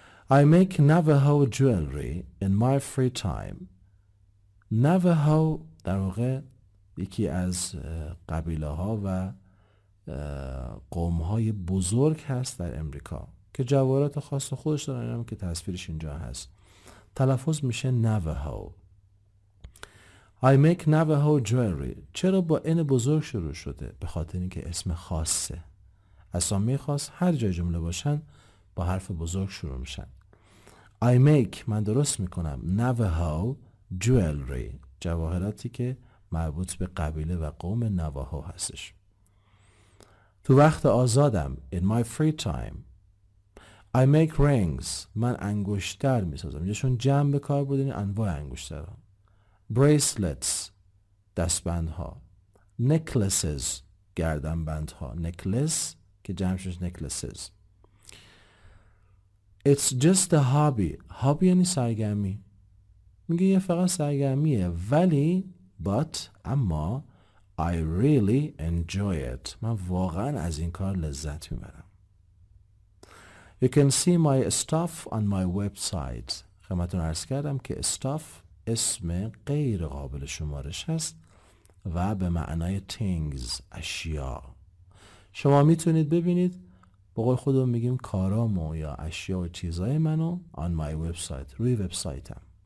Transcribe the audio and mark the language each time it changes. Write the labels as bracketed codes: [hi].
[en] I make Navajo jewelry in my free time. [fa] Navajo در واقع یکی از قبیله ها و قوم های بزرگ هست در امریکا که جواهرات خاص خودش دارن. اینم که تصویرش اینجا هست، تلفظ میشه Navajo. [en] I make Navajo jewelry. [fa] چرا با این بزرگ شروع شده؟ به خاطر اینکه اسم خاصه. اسامی خاص هر جای جمله باشن با حرف بزرگ شروع میشن. [en] I make، [fa] من درست میکنم، [en] Navajo jewelry، [fa] جواهراتی که مربوط به قبیله و قوم Navajo هستش. تو وقت آزادم، [en] in my free time. I make rings، [fa] من انگشتر میسازم. چون جمع به کار بودین انواع انگشتر. Bracelets، دستبندها. Necklaces، گردنبندها. Necklace که جمعشش necklaces. [en] It's just a hobby. [fa] Hobby یعنی سرگرمی. میگه یه فقط سرگرمیه، ولی but اما [en] I really enjoy it. [fa] من واقعا از این کار لذت میبرم. [en] You can see my stuff on my website. [fa] خدمتتون عرض کردم که stuff اسم غیر قابل شمارش هست و به معنای things، اشیا. شما میتونید ببینید، به قول خودمون میگیم کارامو یا اشیا و چیزای منو [en] on my website، [fa] روی وبسایتم.